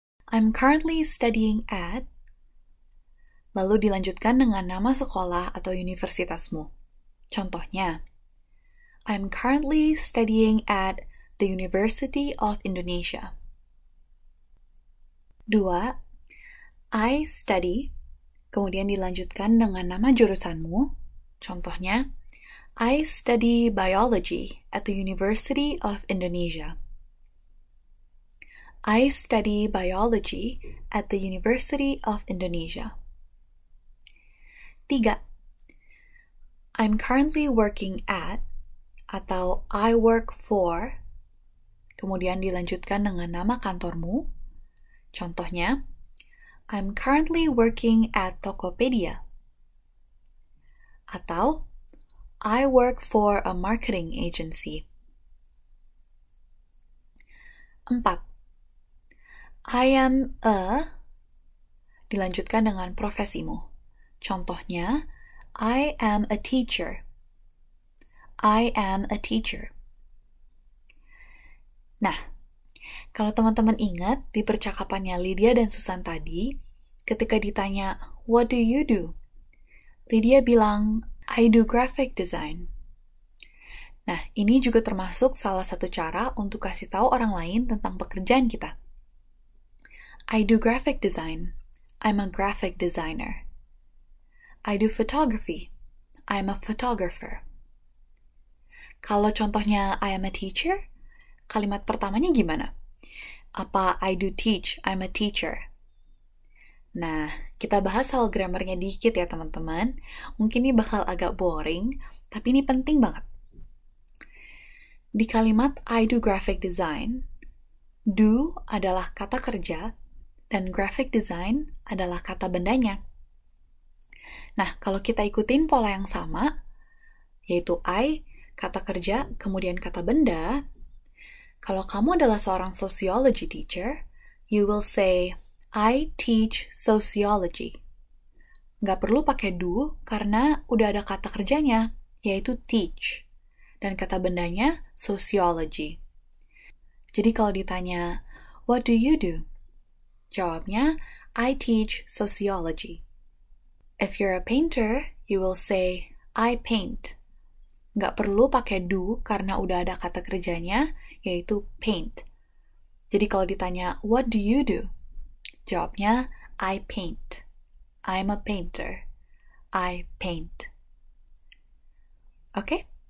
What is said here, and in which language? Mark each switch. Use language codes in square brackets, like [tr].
[en] I'm currently studying at. [id] Lalu dilanjutkan dengan nama sekolah atau universitasmu. [en] Contohnya, I'm currently studying at the University of Indonesia. 2. I study. [id] Kemudian dilanjutkan dengan nama jurusanmu. [en] Contohnya, I study biology at the University of Indonesia. I study biology at the University of Indonesia. 3. I'm currently working at atau I work for. [id] Kemudian dilanjutkan dengan nama kantormu. [en] Contohnya, I'm currently working at Tokopedia. Atau, I work for a marketing agency. 4. I am a. [id] Dilanjutkan dengan profesimu. [en] Contohnya, I am a teacher. I am a teacher. [id] Nah, kalau teman-teman ingat di percakapannya Lydia dan Susan tadi, ketika ditanya, [en] what do you do? Lydia bilang, I do graphic design. [id] Nah, ini juga termasuk salah satu cara untuk kasih tahu orang lain tentang pekerjaan kita. [en] I do graphic design. I'm a graphic designer. I do photography. I'm a photographer. [id] Kalau contohnya, [en] I am a teacher, [id] kalimat pertamanya gimana? [en] Apa I do teach, I'm a teacher? [id] Nah, kita bahas soal grammarnya dikit ya teman-teman. Mungkin ini bakal agak boring, tapi ini penting banget. Di kalimat [en] I do graphic design, [id] do adalah kata kerja, dan graphic design adalah kata bendanya. Nah, kalau kita ikutin pola yang sama, yaitu I, kata kerja, kemudian kata benda, kalau kamu adalah seorang sociology teacher, [en] you will say, I teach sociology. [id] Nggak perlu pakai do, karena udah ada kata kerjanya, yaitu teach. Dan kata bendanya, sociology. Jadi kalau ditanya, [en] what do you do? Jawabnya, I teach sociology. If you're a painter, you will say, I paint. [id] Nggak perlu pakai do, karena udah ada kata kerjanya, yaitu paint. Jadi kalau ditanya, [en] what do you do? Jawabnya, I paint. I'm a painter. I paint. Oke?